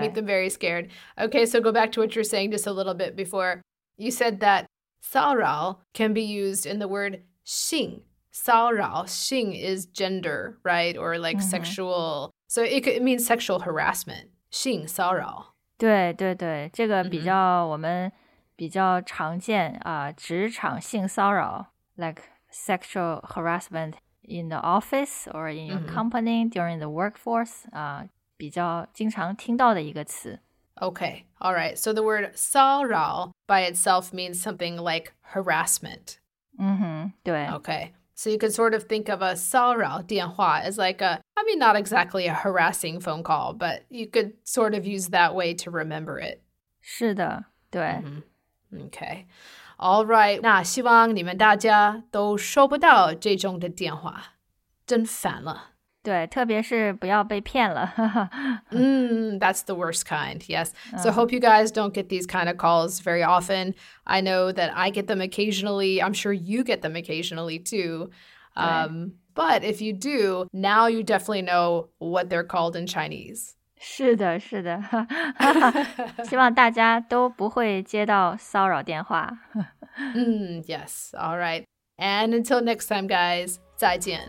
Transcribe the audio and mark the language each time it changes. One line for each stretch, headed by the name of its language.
English: Make them very scared. Okay, so go back to what you're saying just a little bit before. You said that 骚扰 can be used in the word 性。骚扰 ,性 is gender, right? Or like、mm-hmm. sexual. So it means sexual harassment.
Chinese: 性骚扰。对对对，这个比较我们比较常见啊、mm-hmm. 职场性骚扰
English: ,like sexual harassment in the office or in your company、mm-hmm. during the workforce,
Chinese: 啊、比较经常听到的一个词。
English: Okay, all right, so the word 骚扰 by itself means something like harassment.
Chinese: 嗯哼，对。
English: Okay, so you can sort of think of a 骚扰电话 as like aI mean, not exactly a harassing phone call, but you could sort of use that way to remember it.
Chinese: 是的，对。
English: Mm-hmm. Okay. All right.
Chinese: 那希望你们大家都收不到这种的电话。真烦了。对，特别是不要被骗了。
English: 嗯，that's the worst kind, yes. So hope you guys don't get these kind of calls very often. I know that I get them occasionally. I'm sure you get them occasionally, too. But if you do, now you definitely know what they're called in Chinese.
Chinese: 是的，是的。希望大家都不会接到骚扰电话。
English: Yes, all right. And until next time, guys, 再见。